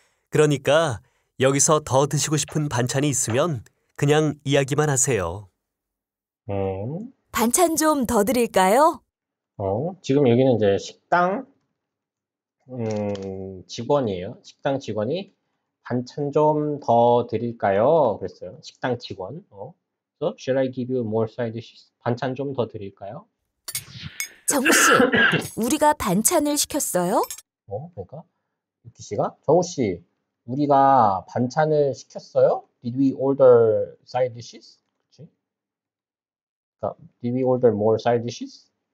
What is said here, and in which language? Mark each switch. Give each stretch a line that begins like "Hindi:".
Korean: 그러니까 여기서 더 드시고 싶은 반찬이 있으면 그냥 이야기만 하세요. 반찬 좀더 드릴까요? 지금 여기는 이제 식당 직원이에요. 식당 직원이 반찬 좀더 드릴까요? 그랬어요. 식당 직원.
English: So, should I give you more side dishes?
Korean: 반찬 좀더 드릴까요? 정우 씨, 우리가 반찬을 시켰어요? 그러니까 유키 씨가 정우 씨, 우리가 반찬을 시켰어요?
English: Did we order side dishes?
Korean: 그러니까
English: Did we order more side dishes?